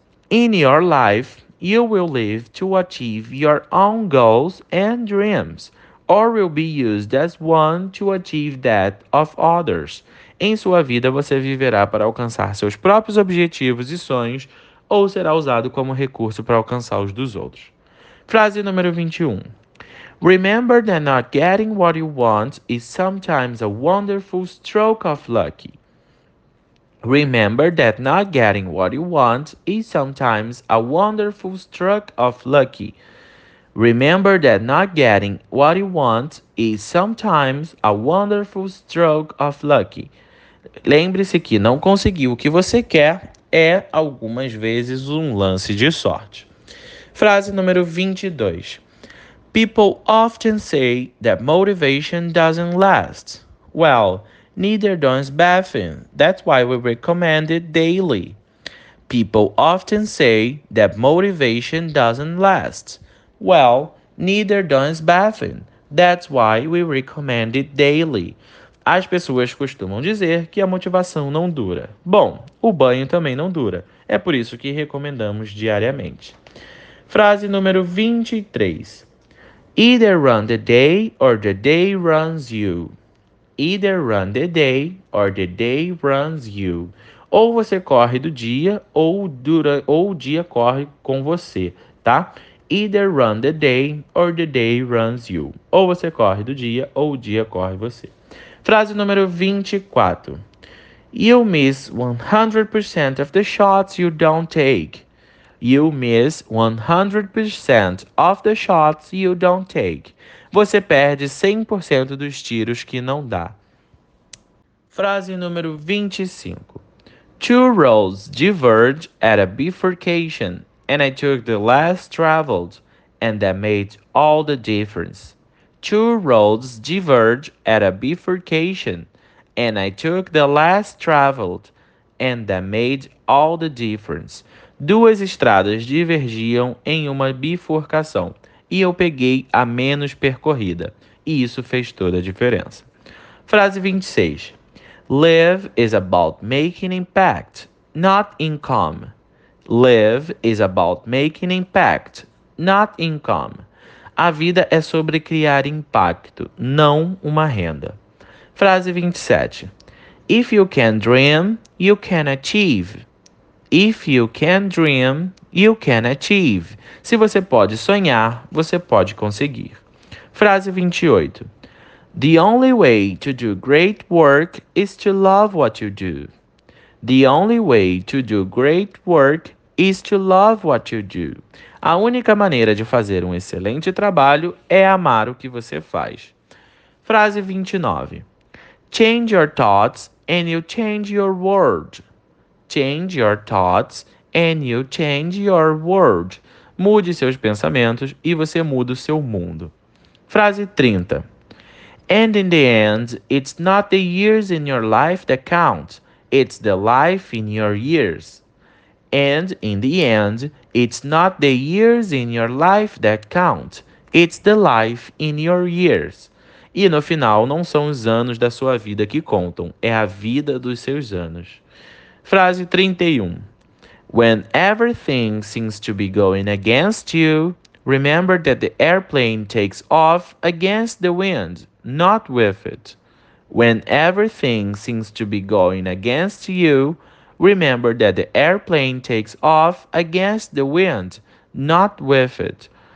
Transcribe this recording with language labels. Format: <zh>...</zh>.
<en>In your life, you will live to achieve your own goals and dreams, or will be used as one to achieve that of others.</en> <pt>Em sua vida, você viverá para alcançar seus próprios objetivos e sonhos, ou será usado como recurso para alcançar os dos outros. Frase número 21.</pt> <en>Remember that not getting what you want is sometimes a wonderful stroke of luck. Remember that not getting what you want is sometimes a wonderful stroke of lucky. Remember that not getting what you want is sometimes a wonderful stroke of lucky.</en> <pt>Lembre-se que não conseguir o que você quer é algumas vezes um lance de sorte. Frase número 22.</pt> <en>People often say that motivation doesn't last. Well, neither does Baffin. That's why we recommend it daily. People often say that motivation doesn't last. Well, neither does Baffin. That's why we recommend it daily.</en> <pt>As pessoas costumam dizer que a motivação não dura. Bom, o banho também não dura. É por isso que recomendamos diariamente. Frase número 23.</pt> <en>Either run the day or the day runs you. Either run the day or the day runs you.</en> <pt>Ou você corre do dia ou o dia corre com você, tá?</pt> <en>Either run the day or the day runs you.</en> <pt>Ou você corre do dia ou o dia corre você. Frase número 24.</pt> <en>You miss 100% of the shots you don't take. You miss 100% of the shots you don't take.</en> <pt>Você perde 100% dos tiros que não dá. Frase número 25.</pt> <en>Two roads diverged at a bifurcation, and I took the less traveled, and that made all the difference. Two roads diverged at a bifurcation, and I took the less traveled, and that made all the difference.</en> <pt>Duas estradas divergiam em uma bifurcação, e eu peguei a menos percorrida, e isso fez toda a diferença. Frase 26.</pt> <en>Live is about making impact, not income. Live is about making impact, not income.</en> <pt>A vida é sobre criar impacto, não uma renda. Frase 27.</pt> <en>If you can dream, you can achieve. If you can dream, you can achieve.</en> <pt>Se você pode sonhar, você pode conseguir.</pt> <en>Frase 28. The only way to do great work is to love what you do. The only way to do great work is to love what you do.</en> <pt>A única maneira de fazer um excelente trabalho é amar o que você faz. Frase 29.</pt> <en>Change your thoughts and you change your world. Change your thoughts and you change your world.</en> <pt>Mude seus pensamentos e você muda o seu mundo. Frase 30.</pt> <en>And in the end, it's not the years in your life that count, it's the life in your years. And in the end, it's not the years in your life that count, it's the life in your years.</en> <pt>E no final, não são os anos da sua vida que contam, é a vida dos seus anos. Frase 31.</pt> <en>When everything seems to be going against you, remember that the airplane takes off against the wind, not with it. When everything seems to be going against you, remember that the airplane takes off against the wind, not with it.</en>